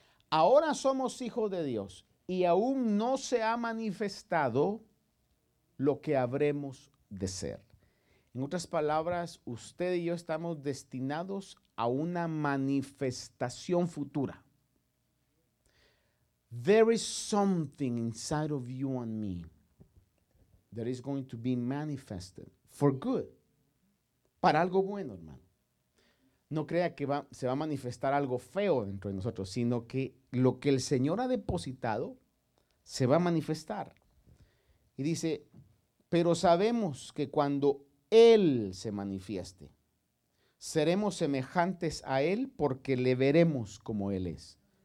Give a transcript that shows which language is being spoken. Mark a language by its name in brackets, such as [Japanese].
[Spanish] Ahora somos hijos de Dios y aún no se ha manifestado lo que habremos de ser. En otras palabras, usted y yo estamos destinados a una manifestación futura. [English] There is something inside of you and me that is going to be manifested for good. [Spanish] Para algo bueno, hermano. No crea que se va a manifestar algo feo dentro de nosotros, sino que lo que el Señor ha depositado se va a manifestar. Y dice, pero sabemos que cuando Él se manifieste, seremos semejantes a Él porque le veremos como Él es.